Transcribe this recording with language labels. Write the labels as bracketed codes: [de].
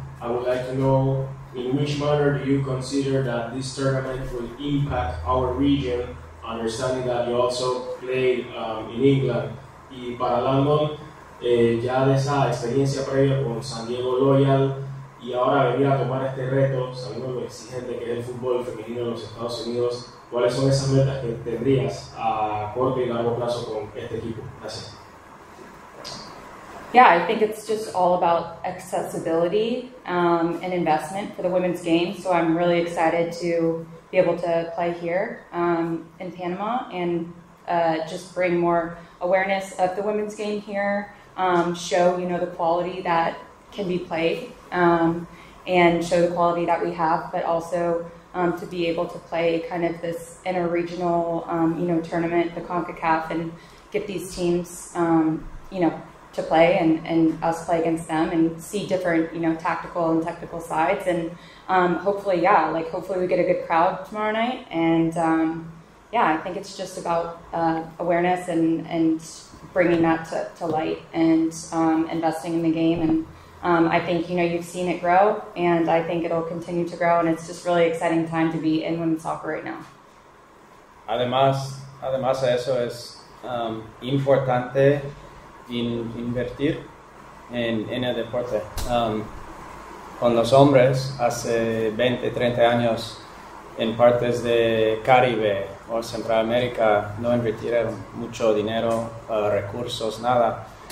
[en] I would like to know, in which manner do you consider that this tournament will impact our region, understanding that you also play in England? [es] Y para Landon, ya de esa experiencia previa con San Diego Loyal, y ahora venir a tomar este reto, sabiendo lo exigente que es el fútbol femenino en los Estados Unidos, ¿cuáles son esas metas que tendrías a corto y largo plazo con este equipo? Gracias. [en] Yeah, I think it's just all about accessibility and investment for the women's game. So I'm really excited to be able to play here in Panama and just bring more awareness of the women's game here, show, you know, the quality that can be played and show the quality that we have, but also to be able to play kind of this interregional, you know, tournament, the CONCACAF, and get these teams, you know, to play and us play against them and see different, you know, tactical and technical sides. And hopefully, yeah, like hopefully we get a good crowd tomorrow night. And yeah, I think it's just about awareness and bringing that to light and investing in the game. And I think, you know, you've seen it grow and I think it'll continue to grow. And it's just really exciting time to be in women's soccer right now. [es] Además de eso es importante invertir en el deporte. Con los hombres hace 20, 30 años en partes de Caribe o Centroamérica no invirtieron mucho dinero, recursos, nada.